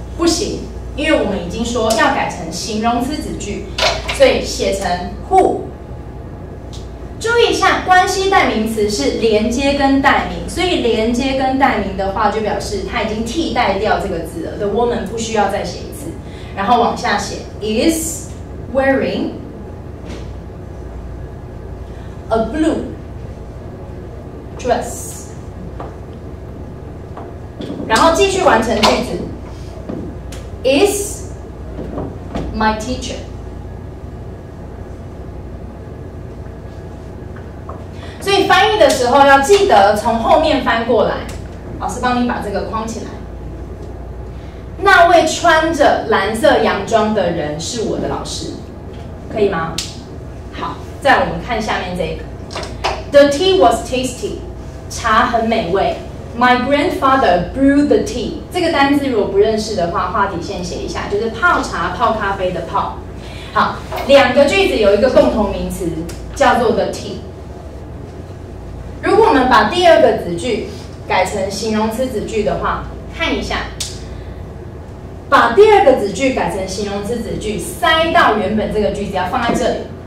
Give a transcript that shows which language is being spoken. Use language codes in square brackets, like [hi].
[zh] 不行，因为我们已经说要改成形容词子句，所以写成 who。注意一下，关系代名词是连接跟代名，所以连接跟代名的话就表示它已经替代掉这个字了， The woman 不需要再写一次。然后往下写 [en] is wearing a blue dress， [zh] 然后继续完成句子， [en] is my teacher。 [zh] 所以翻译的时候要记得从后面翻过来，老师帮你把这个框起来。那位穿着蓝色洋装的人是我的老师，可以吗？好，再我们看下面这个。 [en] The tea was tasty， [zh] 茶很美味。 [en] My grandfather brewed the tea， [zh] 这个单字如果不认识的话，话题先写一下，就是泡茶泡咖啡的泡。好，两个句子有一个共同名词叫做 the tea。如果我们把第二个子句改成形容词子句的话，看一下，把第二个子句改成形容词子句，塞到原本这个句子要放在这里。